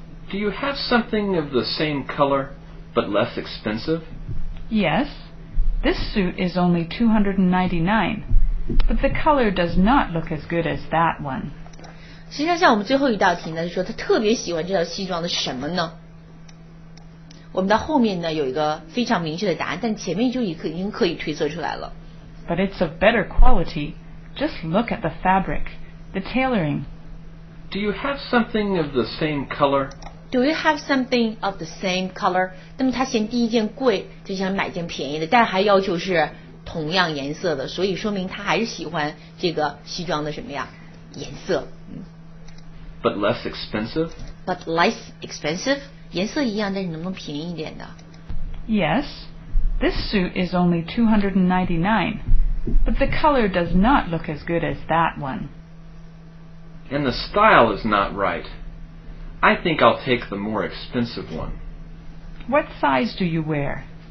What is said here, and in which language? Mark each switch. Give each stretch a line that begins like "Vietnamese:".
English: Do you have something of the same color, but less expensive? Yes, this suit is only 299, but the color does not look as good as that one.
Chinese: 实际上，像我们最后一道题呢，就说他特别喜欢这套西装的什么呢？我们到后面呢有一个非常明确的答案，但前面就已经可以推测出来了。
English: But it's of better quality. Just look at the fabric, the tailoring. Do you have something of the same color? Do you have something of the same color?
Chinese: 那么他嫌第一件贵，就想买件便宜的，但还要求是同样颜色的，所以说明他还是喜欢这个西装的什么呀？颜色。
English: But less expensive? But less expensive?
Chinese: 颜色一样，但是能不能便宜一点的
English: ？Yes, this suit is only 299, but the color does not look as good as that one. And the style is not right. I think I'll take the more expensive one. What size do you wear?